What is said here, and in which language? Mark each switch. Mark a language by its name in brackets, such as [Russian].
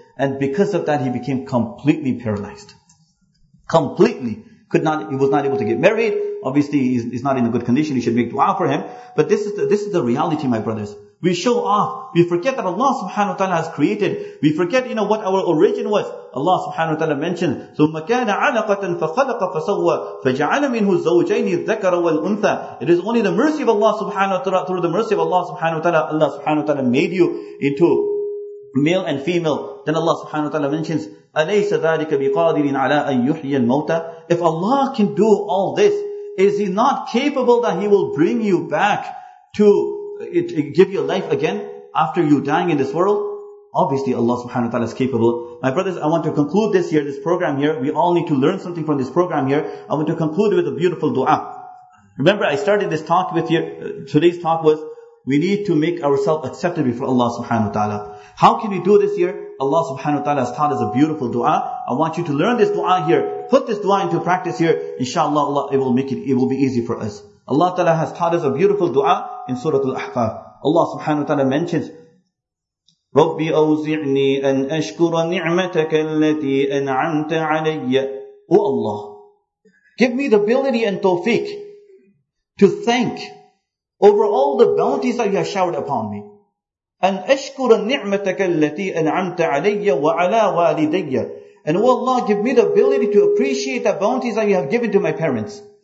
[English] And because of that, he became completely paralyzed. Completely. He was not able to get married. Obviously, he's not in a good condition. You should make dua for him. But this is the reality, my brothers. We show off. We forget that Allah subhanahu wa ta'ala has created. We forget, you know, what our origin was. Allah subhanahu wa ta'ala mentioned, [Arabic] ثُمَّ كَانَ عَلَقَةً فَخَلَقَ فَسَوَّى فَجَعَلَ مِنْهُ زَوْجَيْنِ الذَّكَرَ وَالْأُنْثَى. [English] It is only the mercy of Allah subhanahu wa ta'ala, through the mercy of Allah subhanahu wa ta'ala, Allah subhanahu wa ta'ala made you into male and female. Then Allah subhanahu wa ta'ala mentions, [Arabic] أَلَيْسَ ذَلِكَ بِقَادِرٍ عَلَىٰ أَن يُحْيَ الْمَوْتَى. [English] If Allah can do all this, is He not capable that He will bring you back to give you life again after you dying in this world? Obviously Allah subhanahu wa ta'ala is capable. My brothers, I want to conclude this here, this program here. We all need to learn something from this program here. I want to conclude with a beautiful dua. Remember, I started this talk with you. Today's talk was, we need to make ourselves accepted before Allah subhanahu wa ta'ala. How can we do this here? Allah subhanahu wa ta'ala has taught us a beautiful dua. I want you to learn this dua here. Put this dua into practice here. Inshallah, Allah, it will be easy for us. Allah ta'ala has taught us a beautiful dua in Surah Al-Ahqaf. Allah subhanahu wa ta'ala mentions, [Arabic] رَبِّ أَوْزِعْنِي أَنْ أَشْكُرَ نِعْمَتَكَ الَّتِي أَنْعَمْتَ عَلَيَّ. [English] Oh Allah, give me the ability and tawfiq to thank over all the bounties that You have showered upon me. [Arabic] أَنْ أَشْكُرَ نِعْمَتَكَ الَّتِي أَنْعَمْتَ عَلَيَّ وَعَلَىٰ وَالِدَيَّ. [English] And oh Allah, give me the ability to appreciate the bounties that You have given to my parents.